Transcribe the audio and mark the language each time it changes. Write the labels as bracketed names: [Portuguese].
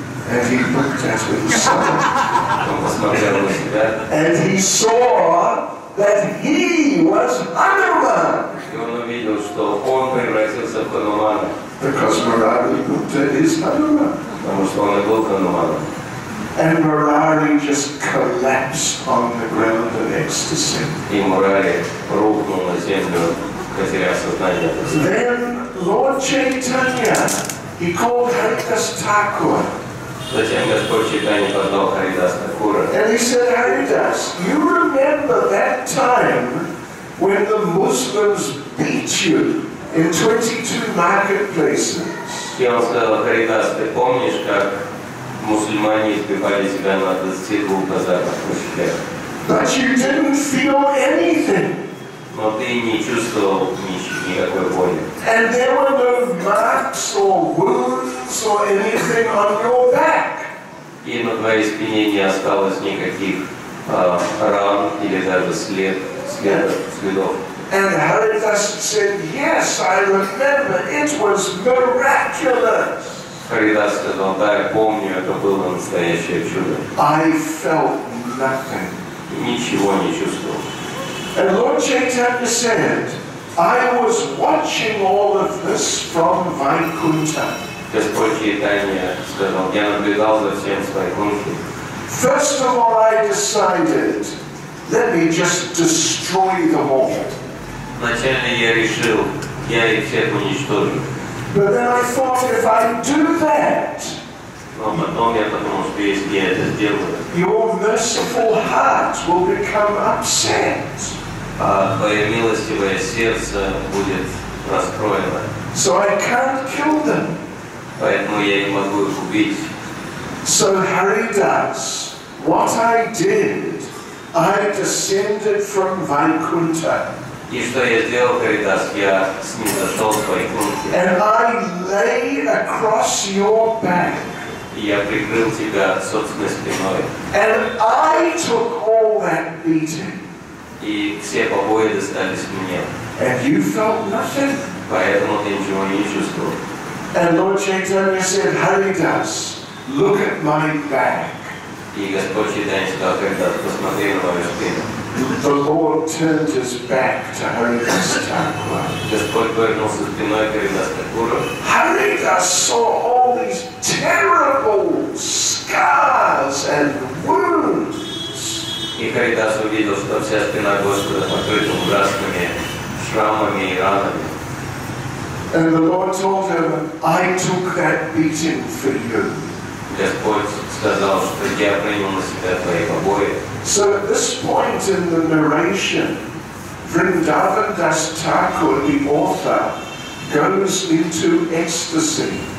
[English] And he looked at himself. [Russian] Он посмотрел на себя. [English] And he saw that he was Hanuman. [Russian] И он увидел, что он превратился в Ханумана. [English] Because Murari looked at his Hanuman. [Russian] Потому что он и был Ханумана. [English] And Murari just collapsed on the ground of ecstasy. [Russian] И Мурари рухнул на землю, потеряв сознание. [English] Then Lord Chaitanya, he called Haridas Thakura. [Russian] Затем Господь Чайтанья позвал Харидас Такура. [English] And he said, Haridas, you remember that time when the Muslims beat you in 22 marketplaces? [Russian] И он сказал, Харидас, ты помнишь, как мусульмане избивали себя на 22 базарах в Мусульях. [English] But you didn't feel anything. [Russian] Но ты не чувствовал никакой боли. [English] And there were no marks or wounds or anything on your back. [Russian] И на твоей спине не осталось никаких ран или даже следов. [English] And Haridas said, yes, I remember, it was miraculous. [Russian] Харидас сказал, да, я помню, это было настоящее чудо. [English] I felt nothing. [Russian] Ничего не чувствовал. [English] And Lord Chaitanya said, I was watching all of this from Vaikuntha. [Russian] Господь Чайтанья сказал, я наблюдал за всем с Вайкунты. [English] First of all, I decided, let me just destroy them all. [Russian] Вначале я решил, я их всех уничтожу. [English] But then I thought, if I do that, your merciful heart will become upset. [Russian] Твое милостивое сердце будет расстроено. [English] So I can't kill them. [Russian] Поэтому я не могу их убить. [English] So Haridas, what I did, I descended from Vaikuntha. [Russian] И что я сделал, Харидас, я снизошел с Вайкунты. [English] And I lay across your back. [Russian] я прикрыл тебя собственной спиной. [English] And I took all that beating. [Russian] И все побои достались мне. [English] And you felt nothing. [Russian] Поэтому ты ничего не чувствовал. [English] And Lord Chaitanya said, Hari Das, look at my back. [Russian] И Господь Чайтанья сказал, когда посмотри на мою спину. [English] The Lord turned his back to Haridas Thakur. Haridas saw all these terrible scars and wounds. [Russian] И Харидас увидел, что вся спина Господа покрыта ужасными шрамами и ранами. [English] And the Lord told him, I took that beating for you. [Russian] Господь сказал, что я принял на себя твои побои. [English] So at this point in the narration, Vrindavan Das Thakur, the author, goes into ecstasy.